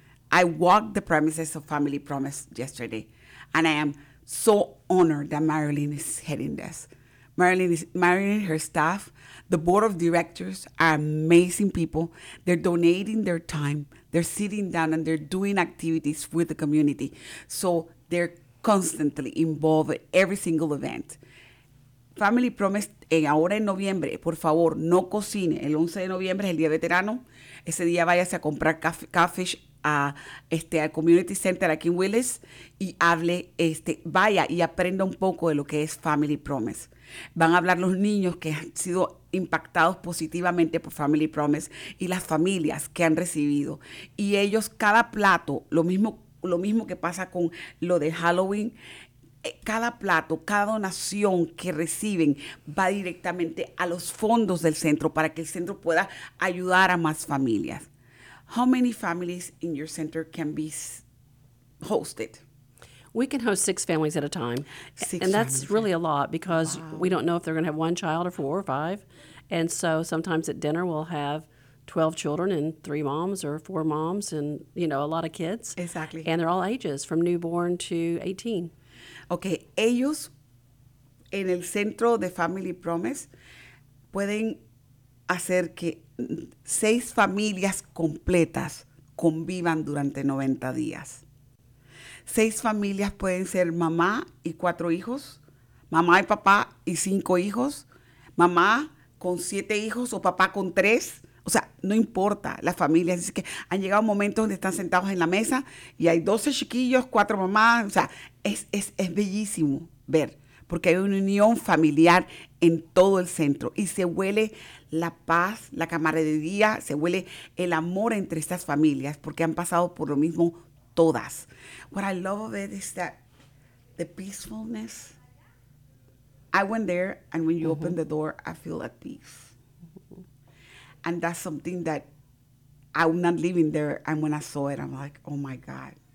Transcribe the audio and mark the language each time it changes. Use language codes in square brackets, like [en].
[en] I walked the premises of Family Promise yesterday, and I am so honored that Marilyn is heading this. Marilyn, her staff, the board of directors are amazing people. They're donating their time. They're sitting down and they're doing activities with the community. So they're constantly involved in every single event. [es] Family Promise, ahora en noviembre, por favor, no cocine. El 11 de noviembre es el día veterano. Ese día váyase a comprar catfish al Community Center aquí en Willis y hable, vaya y aprenda un poco de lo que es Family Promise. Van a hablar los niños que han sido impactados positivamente por Family Promise y las familias que han recibido. Y ellos, cada plato, lo mismo que pasa con lo de Halloween, cada plato, cada donación que reciben va directamente a los fondos del centro para que el centro pueda ayudar a más familias. [en] How many families in your center can be hosted? We can host 6 families at a time. That's really a lot because we don't know if they're going to have one child or 4 or 5. And so sometimes at dinner we'll have 12 children and 3 moms or 4 moms and, you know, a lot of kids. Exactly. And they're all ages, from newborn to 18. [es] Okay, ellos en el centro de Family Promise pueden hacer que 6 familias completas convivan durante 90 días. 6 familias pueden ser mamá y 4 hijos, mamá y papá y 5 hijos, mamá con 7 hijos o papá con 3. O sea, no importa las familias. Es que han llegado momentos donde están sentados en la mesa y hay 12 chiquillos, 4 mamás. O sea, es bellísimo ver, porque hay una unión familiar en todo el centro y se huele la paz, la camaradería, se huele el amor entre estas familias porque han pasado por lo mismo todas. [en] What I love of it is that the peacefulness. I went there and when you mm-hmm. open the door, I feel at peace. And that's something that I'm not living there. And when I saw it, I'm like, oh my God.